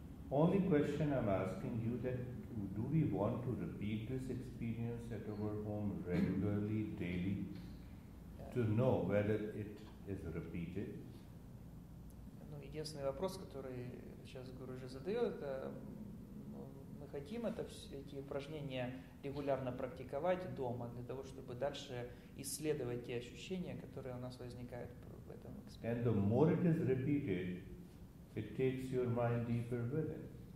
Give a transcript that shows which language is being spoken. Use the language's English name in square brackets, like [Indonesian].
[English] Only question I'm asking you that do we want to repeat this experience at our home regularly, daily, to know whether it is repeated? [Russian] Единственный вопрос, который сейчас Гуруджи задает, это мы хотим эти упражнения регулярно практиковать дома для того, чтобы дальше исследовать те ощущения, которые у нас возникают в этом эксперименте. [English] And the more it is repeated, it takes your mind deeper with it.